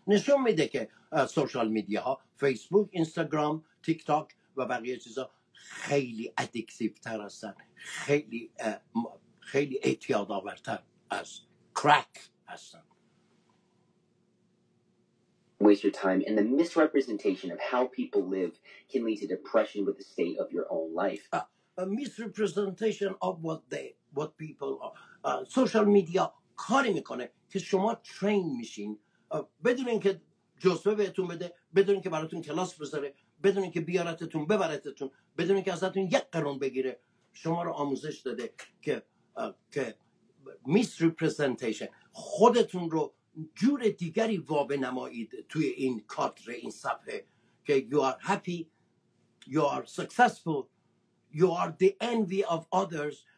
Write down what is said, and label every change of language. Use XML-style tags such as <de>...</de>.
<fa>نشون میده که سوشال میدیا ها، فیسبوک، اینستاگرام، تیک تاک و بقیه چیزها خیلی ادیکتیو تر هستن، خیلی اعتیاد آورتر از کرک هستن.</fa> <en>Waste your time and the misrepresentation of how people live can lead to depression with the state of your own life. A misrepresentation of what people are.</en> <fa>Social media کاری میکنه که شما ترین میشین بدون اینکه جزوه بهتون بده، بدون اینکه براتون کلاس بذاره، بدون اینکه بیارتتون ببرتتون، بدون اینکه ازتون یک قرون بگیره، شما رو آموزش داده که misrepresentation خودتون رو جور دیگری واب نمایید توی این کادر، این صفحه که</fa> <en>you are happy, you are successful, you are the envy of others.</en>